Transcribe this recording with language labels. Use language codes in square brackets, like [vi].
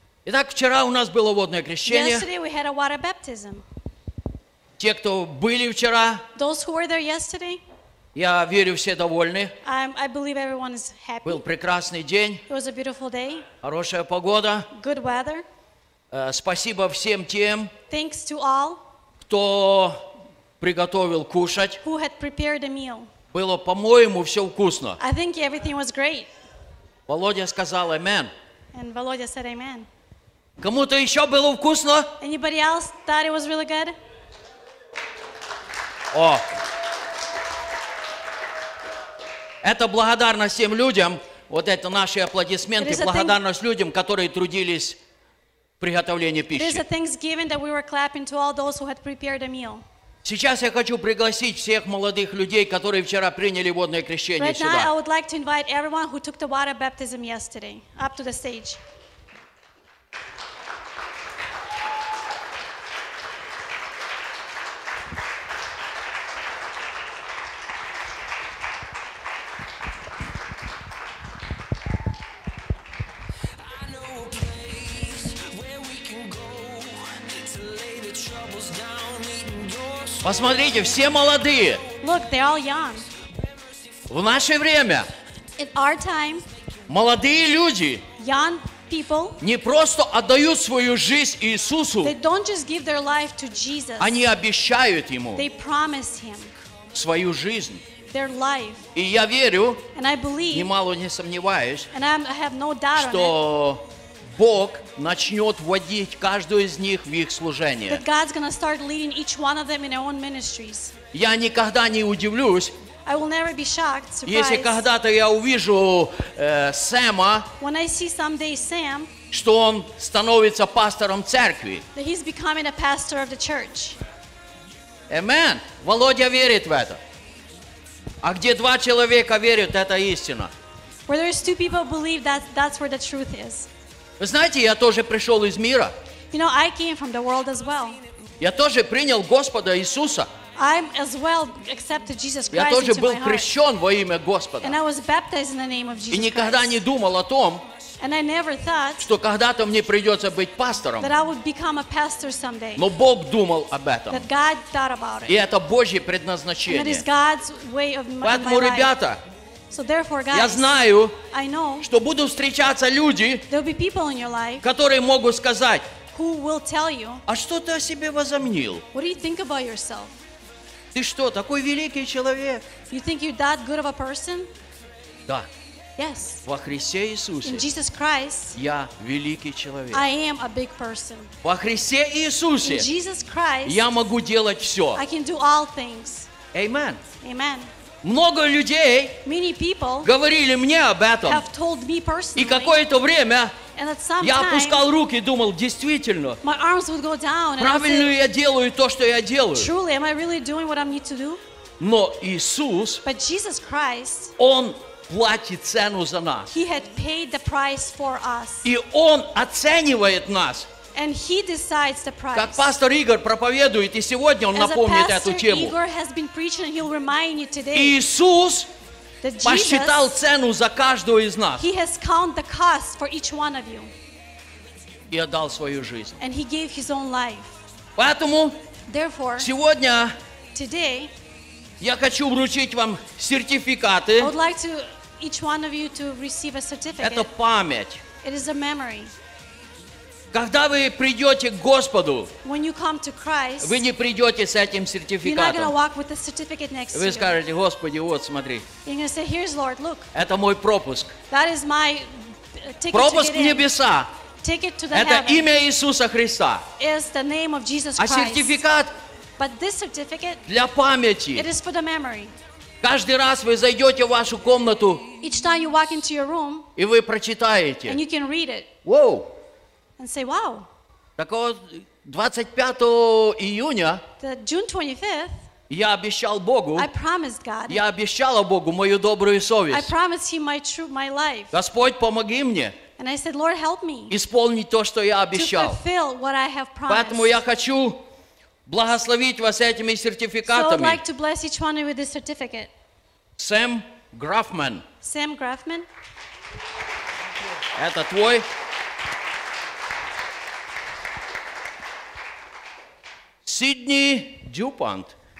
[ru] Итак, вчера у нас было водное крещение. [en] Yesterday we had a water baptism. [ru] Те, кто были вчера, [en] those who were there yesterday, [ru] я верю, все довольны. [en] I believe everyone is happy. [ru] Был прекрасный день. [en] It was a beautiful day. [ru] Хорошая погода. [en] Good weather. [ru] Спасибо всем тем, [en] thanks to all, [ru] кто приготовил кушать. [en] Who had prepared a meal. [ru] Было, по-моему, все вкусно. [en] I think everything was great. [ru] Володя сказал «Амен». [en] And Володя said «Амен». [ru] Кому-то еще было вкусно? [en] Anybody else thought it was really good? О! [ru] Это благодарность всем людям. Вот это наши аплодисменты. Благодарность людям, которые трудились в приготовлении пищи. [en] It is a thanksgiving that we were clapping to all those who had prepared a meal. [ru] Сейчас я хочу пригласить всех молодых людей, которые вчера приняли водное крещение [en] right [ru] сюда. [en] Right now, I would like to invite everyone who took the water baptism yesterday up to the stage. [ru] Посмотрите, все молодые. [en] Look, they're all young. [ru] В наше время. [en] In our time. [ru] Молодые люди. [en] Young people. [ru] Не просто отдают свою жизнь Иисусу. [en] They don't just give their life to Jesus. [ru] Они обещают ему. [en] They promise him. [ru] Свою жизнь. [en] Their life. [ru] И я верю. [en] And I believe. [ru] Немало не сомневаюсь. [en] And I have no doubt on it. [ru] Что Бог начнет вводить каждую из них в их служение. [en] That God's gonna start leading each one of them in their own ministries. [ru] Я никогда не удивлюсь. [en] I will never be shocked, surprised. [ru] Если когда-то я увижу Сэма, [en] when I see someday Sam, [ru] что он становится пастором церкви. [en] That he's becoming a pastor of the church. [ru] Amen. Володя верит в это. А где два человека верят, это истина. [en] Where there's two people believe, that's where the truth is. [ru] Вы знаете, я тоже пришел из мира. [en] You know, I came from the world as well. [ru] Я тоже принял Господа Иисуса. [en] I as well accepted Jesus Christ. [ru] Я тоже [en] into [ru] был [en] my [ru] крещен во имя Господа. [en] And I was baptized in the name of Jesus [ru] И никогда [en] Christ. [ru] Не думал о том, [en] And I never thought, [ru] что когда-то мне придется быть пастором. [en] That I would become a pastor someday. [ru] Но Бог думал об этом. [en] That God thought about it. [ru] И это Божье предназначение. [en] And that is God's way of my, [ru] поэтому, [en] my life. [ru] Ребята, [en] so therefore, guys, [ru] я знаю, [en] I know, [ru] что будут встречаться люди, [en] there'll be people in your life, [ru] которые могут сказать, [en] who will tell you, [ru] а что ты о себе возомнил? [en] What do you think about yourself? [ru] Ты что, такой великий человек? [en] You think you're that good of a person? [ru] Да. [en] Yes. [ru] Во Христе Иисусе. [en] In Jesus Christ, [ru] я великий человек. [en] I am a big person. [ru] Во Христе Иисусе. [en] In Jesus Christ, [ru] я могу делать все. [en] I can do all things. Amen. Amen. [ru] Много людей, [en] many people, [ru] говорили мне об этом. [en] Have told me personally, [ru] и какое-то время, [en] and at some time, [ru] я опускал руки и думал, действительно, [en] my arms would go down, [ru] правильно [en] say, [ru] я делаю то, что я делаю. [en] Truly, am I really doing what I need to do? [ru] Но Иисус, [en] but Jesus Christ, [ru] Он платит цену за нас. [en] He had paid the price for us. [ru] И Он оценивает нас. [en] And he decides the price. [ru] Как пастор Игорь проповедует, и сегодня он напомнит эту тему. [en] Igor has been preaching, and he'll remind you today. [ru] Иисус посчитал цену за каждого из нас. [en] He has counted the cost for each one of you. [ru] И отдал свою жизнь. [en] And he gave his own life. [ru] Поэтому, [en] therefore, [ru] сегодня, [en] today, [ru] я хочу вручить вам сертификаты. [en] I would like to each one of you to receive a certificate. [ru] Это память. [en] It is a memory. [ru] Когда вы придете к Господу, [en] when you come to Christ, [ru] вы не придете с этим сертификатом. [en] You're not gonna walk with the certificate next to you. [ru] Вы скажете, Господи, вот смотри. [en] You're gonna say, here's Lord, look. [ru] Это мой пропуск. [en] That is my ticket. [ru] Пропуск [en] to get [ru] в небеса. [en] Ticket to the [ru] это [en] heaven. [ru] Имя Иисуса Христа. [en] Is the name of Jesus [ru] Christ. А сертификат, [en] but this certificate, [ru] для памяти. [en] It is for the memory. [ru] Каждый раз вы зайдете в вашу комнату, [en] each time you walk into your room, [ru] и вы прочитаете. [en] And you can read it. Whoa. And say, wow. [ru] Так вот, 25 июня, [en] June 25th, [ru] я обещал Богу, [en] I promised God, [ru] я обещала Богу мою добрую совесть. [en] I promised him my true, my life. [ru] Господь, помоги мне. [en] And I said, Lord, help me. [ru] Исполнить то, что я обещал. [en] To fulfill what I have promised. [ru] Поэтому я хочу благословить вас этими сертификатами. [en] So I'd like to bless each one with this certificate. [ru] Сэм Графман. Сэм Графман. Это твой. Сидни Дюпант.